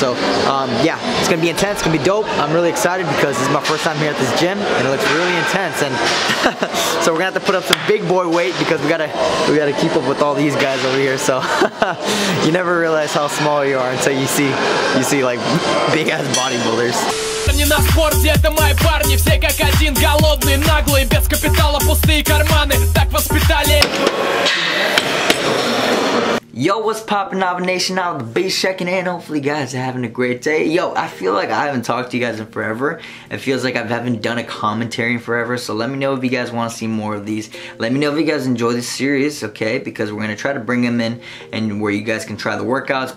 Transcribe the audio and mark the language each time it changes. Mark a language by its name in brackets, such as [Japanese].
[English] So yeah, it's gonna be intense, it's gonna be dope. I'm really excited because this is my first time here at this gym and it looks really intense, and so we're gonna have to put up some big boy weight because we gotta keep up with all these guys over here. So you never realize how small you are until you see like big ass bodybuilders. [Russian] На спорте это мои парни, все как один, голодные, наглые, без капитала, пустые карманы, так воспитали. [English] Yo, what's poppin', Nova Nation? Now the beast checking in. Hopefully, guys are having a great day. Yo, I feel like I haven't talked to you guys in forever. It feels like I haven't done a commentary in forever. So let me know if you guys want to see more of these. Let me know if you guys enjoy this series, okay? Because we're gonna try to bring them in and where you guys can try the workouts.